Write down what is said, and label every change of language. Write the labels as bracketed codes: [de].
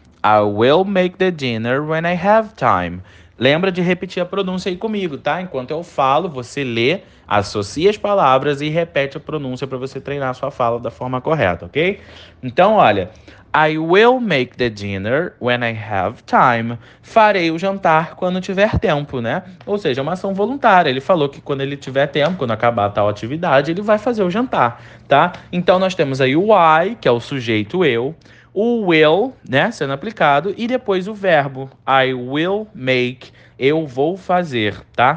[en] I will make the dinner when I have time. [pt] Lembra de repetir a pronúncia aí comigo, tá? Enquanto eu falo, você lê, associa as palavras e repete a pronúncia para você treinar a sua fala da forma correta, ok? Então, olha, [en] I will make the dinner when I have time. [pt] Farei o jantar quando tiver tempo, né? Ou seja, é uma ação voluntária. Ele falou que quando ele tiver tempo, quando acabar tal atividade, ele vai fazer o jantar, tá? Então, nós temos aí o I, que é o sujeito eu. O will, né, sendo aplicado, e depois o verbo, [en] I will make, [pt] eu vou fazer, tá?